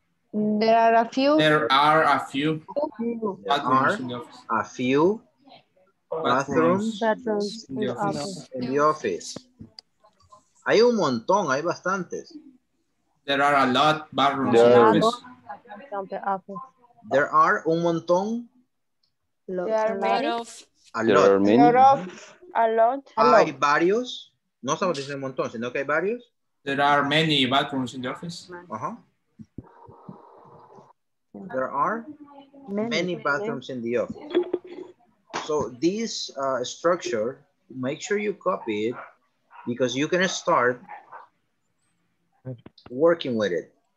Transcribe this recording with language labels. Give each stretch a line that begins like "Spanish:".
English: There are a few bathrooms in the office.
Spanish: Hay un montón, hay bastantes.
English: There are a lot of bathrooms in the office.
Spanish: No estamos diciendo un montón, sino que hay varios.
English: There are many bathrooms in the office. Uh-huh. There are many bathrooms in the office. So this structure, make sure you copy it because you can start working with it.